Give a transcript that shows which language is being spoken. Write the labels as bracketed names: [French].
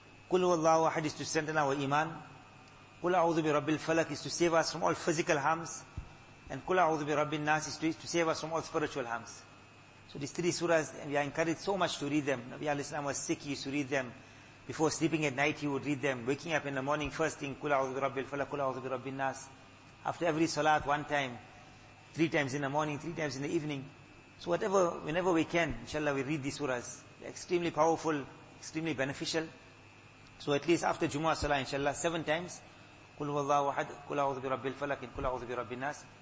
[Arabic] قُلْ هُوَ اللَّهُ وَحَدٍ [English] is to strengthen our iman. [Arabic] قُلْ أَعُوذُ بِرَبِّ الْفَلَقِ [English] is to save us from all physical harms. And [Arabic] قُلْ أَعُوذُ بِرَبِّ النَّاسِ [English] is to save us from all spiritual harms. So these three surahs, and we are encouraged so much to read them. Nabi alayhi salam was sick, he used to read them. Before sleeping at night, he would read them. Waking up in the morning, first thing, [Arabic] قُلْ أَعُوذُ بِرَبِّ الْفَلَقِ قُلْ أَعُوذُ بِرَبِّ النَّاسِ. [English] After every salat, one time, three times in the morning, three times in the evening. So whatever, whenever we can, inshallah, we read these surahs. They're extremely powerful, extremely beneficial. So at least after Jumu'ah Salah, inshallah, seven times, [Arabic] قُلْ هُوَ اللَّهُ وَحَدٍ قُلْ أَعُوذُ بِرَبِّ الْفَلَقِ قُلْ أَعُوذُ بِرَبِّ النَّاسِ.